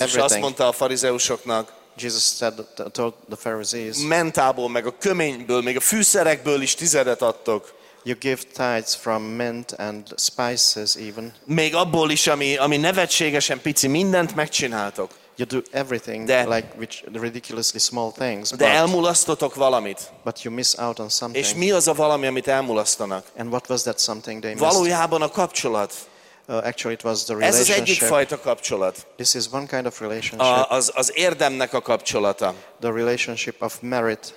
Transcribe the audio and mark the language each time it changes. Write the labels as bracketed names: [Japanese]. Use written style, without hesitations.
[English] everything. [Hungarian] Azt mondta a farizeusoknak. [English] Jesus said told the Pharisees. [Hungarian] Mentából, meg a köményből, még a fűszerekből is tizedet adtok. [English] You give tithes from mint and spices even. [Hungarian] Még abból is, ami nevetségesen pici, mindent megcsináltok. [English] You do everything de, like which ridiculously small things. [Hungarian] De elmulasztotok valamit. [English] But you miss out on something. [Hungarian] És mi az a valami, amit elmulasztanak? [English] And what was that something they [Hungarian] valójában [English] missed? [Hungarian] Valójában a kapcsolat. [English] Actually, it was the relationship. [Hungarian] Ez az egyik fajta kapcsolat. [English] This is one kind of relationship. [Hungarian] Az érdemnek a kapcsolata. [English] The relationship of merit.